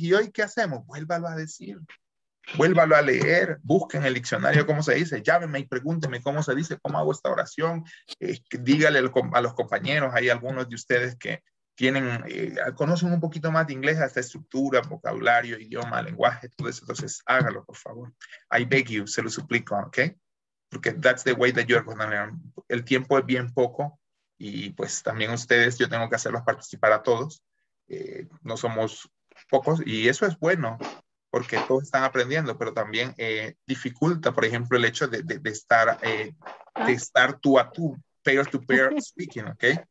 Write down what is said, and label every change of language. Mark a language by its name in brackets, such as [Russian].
[Spanish] ¿Y hoy qué hacemos? Vuélvalo a decir. Vuélvalo a leer. Busque en el diccionario cómo se dice. Llámeme y pregúnteme cómo se dice, cómo hago esta oración. Dígale a los compañeros. Hay algunos de ustedes que conocen un poquito más de inglés, hasta estructura, vocabulario, idioma, lenguaje, todo eso. Entonces, hágalo, por favor. [English] I beg you, [Spanish] se lo suplico, ¿ok? Porque [English] that's the way that you're going to learn. [Spanish] El tiempo es bien poco y pues también ustedes, yo tengo que hacerlos participar a todos. No somos pocos y eso es bueno porque todos están aprendiendo, pero también dificulta, por ejemplo, el hecho de estar tú a tú, [English] pair to pair speaking, [Spanish] ¿ok?